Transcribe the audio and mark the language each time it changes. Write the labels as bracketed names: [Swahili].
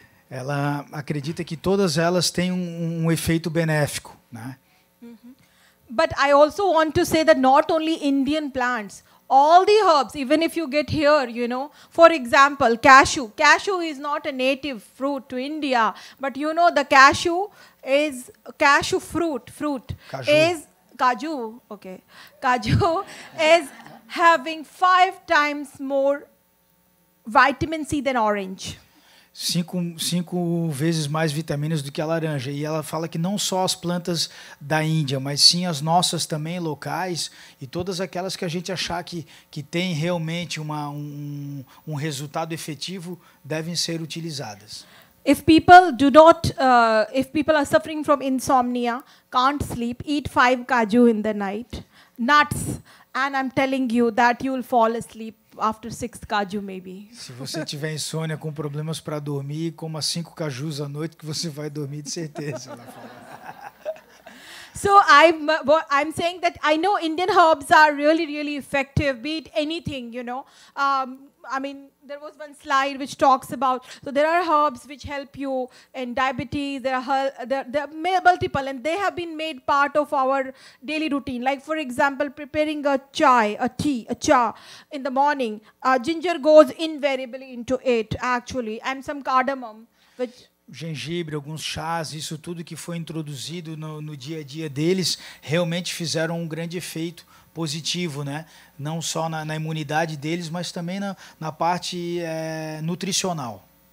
[Portuguese] Ela acredita que todas elas têm um efeito benéfico, né? [English] But I also want to say that not only Indian plants, all the herbs, even if you get here, you know, for example, cashew. Cashew is not a native fruit to India, but you know the cashew is cashew fruit [Portuguese] caju. [English] Is caju, okay? Caju is having 5 times more vitamin C than orange. [Portuguese] 5 vezes mais vitaminas do que a laranja. E ela fala que não só as plantas da Índia, mas sim as nossas também locais e todas aquelas que a gente achar que tem realmente um resultado efetivo devem ser utilizadas. [English] If people do not, if people are suffering from insomnia, can't sleep, eat 5 kaju in the night, nuts, and I'm telling you that you will fall asleep. After 6th caju, maybe. [Portuguese] Se você tiver insônia com problemas para dormir, coma 5 cajus à noite que você vai dormir de certeza. [English] So I'm saying that I know Indian herbs are really, really effective, be it anything, you know. I mean, there was one slide which talks about, so there are herbs which help you in diabetes, there are multiple, and they have been made part of our daily routine. Like, for example, preparing a cha in the morning. Ginger goes invariably into it, actually, and some cardamom, which... [Portuguese] Gengibre, alguns chás, isso tudo que foi introduzido no dia a dia deles, realmente fizeram um grande efeito positivo, né? Não só na imunidade deles, mas também na parte nutricional.